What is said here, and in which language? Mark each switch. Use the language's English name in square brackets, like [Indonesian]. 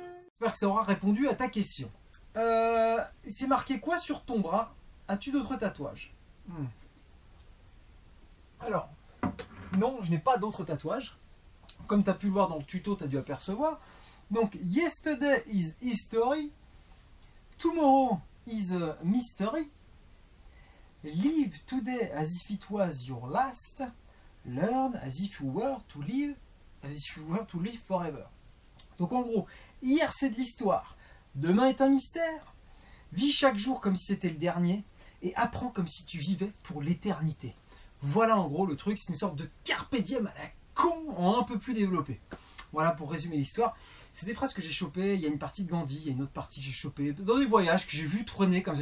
[French] J'espère que ça aura répondu à ta question. C'est marqué quoi sur ton bras? As-tu d'autres tatouages? Alors, non, je n'ai pas d'autres tatouages. Comme tu as pu le voir dans le tuto, tu as dû apercevoir. [English] Donc, yesterday is history. Tomorrow is a mystery. Live today as if it was your last. Learn as if you were to live, as if you were to live forever. [French] Donc, en gros, hier c'est de l'histoire. Demain est un mystère. Vis chaque jour comme si c'était le dernier et apprends comme si tu vivais pour l'éternité. Voilà en gros le truc, c'est une sorte de carpe diem à la con, en un peu plus développé. Voilà pour résumer l'histoire. C'est des phrases que j'ai chopées, il y a une partie de Gandhi, il y a une autre partie que j'ai chopée dans des voyages que j'ai vu traîner comme ça.